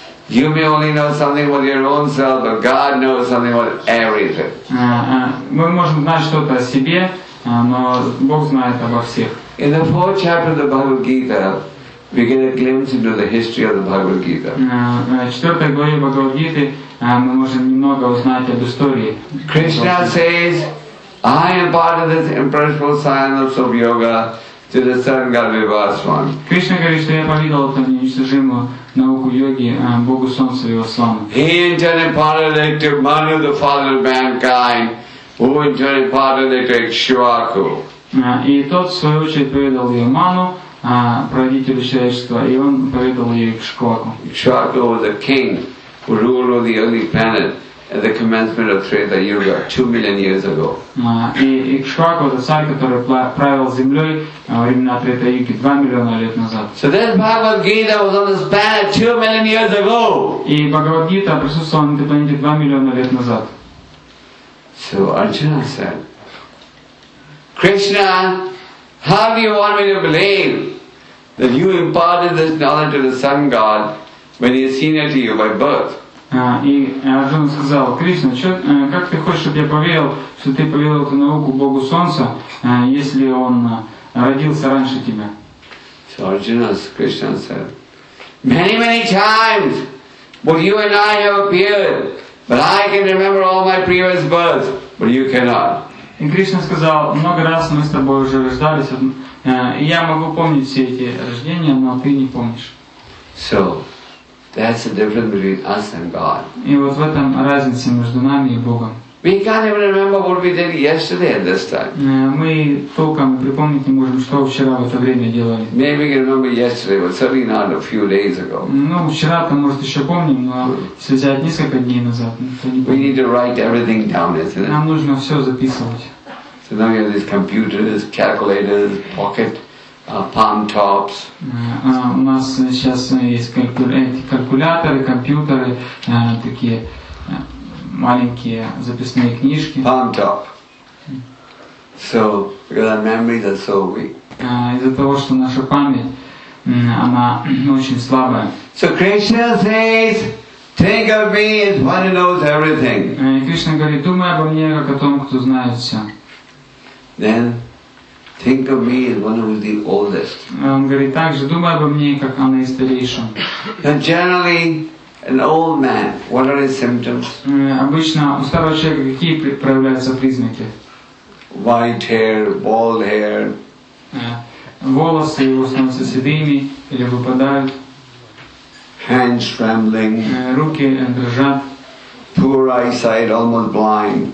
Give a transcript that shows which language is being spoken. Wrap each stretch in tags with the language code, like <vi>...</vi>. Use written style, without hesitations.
<en>You may only know something about your own self, but God knows something about everything.</en> <ru>Мы можем знать что-то о себе, но Бог знает обо всех.</ru> <en>In the fourth chapter of the Bhagavad Gita, we get a glimpse into the history of the Bhagavad Gita.</en> <ru>Четвертой главе Бхагавад Гиты мы можем немного узнать об истории.</ru> <en>Krishna says, I am part of this impersonal science of yoga to the Sun God Vivaswan.</en> <ru>Krishna говорит, что я повидал эту неуничтожимую науку йоги Богу Солнцу Вивасвану.</ru> <en>He in turn imparted it to Manu, the father of mankind, who in turn imparted it to Ikshvaku.</en> <ru>И тот, в свою очередь, повидал ее Ману, правителю человечества, и он повидал ее Ikshvaku.</ru> <en>Ikshvaku was a king who ruled over the early planet at the commencement of Treta Yuga, 2 million years ago.</en> <ru>Ikshvaku, the царь, который правил землей во времена Трета Юги 2 миллиона лет назад.</ru> <en>So this Bhagavad Gita was on this planet 2 million years ago.</en> <ru>И Бхагавад Гита присутствовал на этой планете 2 миллиона лет назад.</ru> <en>So Arjuna said, Krishna, how do you want me to believe that you imparted this knowledge to the Sun God when he is senior to you by birth?</en> <ru>Арджуна сказал, Кришна, как ты хочешь, чтобы я поверил, что ты поверил эту науку Богу Солнца, если он родился раньше тебя?</ru> <en>So Arjuna, Krishna said, many, many times, but you and I have appeared, but I can remember all my previous births, but you cannot.</en> <ru>И Кришна сказал, много раз мы с тобой уже рождались, и я могу помнить все эти рождения, но ты не помнишь.</ru> <en>So, that's the difference between us and God.</en> <ru>И вот в этом разница между нами и Богом.</ru> <en>We can't even remember what we did yesterday at this time.</en> <ru>Мы толком припомнить не можем, что вчера в это время делали.</ru> <en>Maybe we can remember yesterday, but certainly not a few days ago.</en> <ru>Ну, вчера-то, может, еще помним, но если взять несколько дней назад, то не помним.</ru> <en>We need to write everything down, isn't it?</en> <ru>Нам нужно все записывать.</ru> <en>So now we have these computers, calculators, pocket. Palm tops.</en> <ru>У нас сейчас есть калькуляторы, компьютеры, такие маленькие записные книжки.</ru> <en>Palm top. So, because our memories are so weak.</en> <ru>Из-за того, что наша память, она очень слабая.</ru> <en>So Krishna says, think of me as one who knows everything.</en> <ru>И Кришна говорит, думай обо мне, как о том, кто знает все.</ru> <en>Then, think of me as one who is the oldest.</en> <ru>Он говорит так же, думай обо мне, как о наистарейшем.</ru> <en>And generally, an old man, what are his symptoms?</en> <ru>Обычно у старого человека какие проявляются признаки?</ru> <en>White hair, bald hair.</en> <ru>Волосы его становятся седыми или выпадают.</ru> <en>Hands trembling.</en> <ru>Руки дрожат.</ru> <en>poor eyesight, almost blind.</en>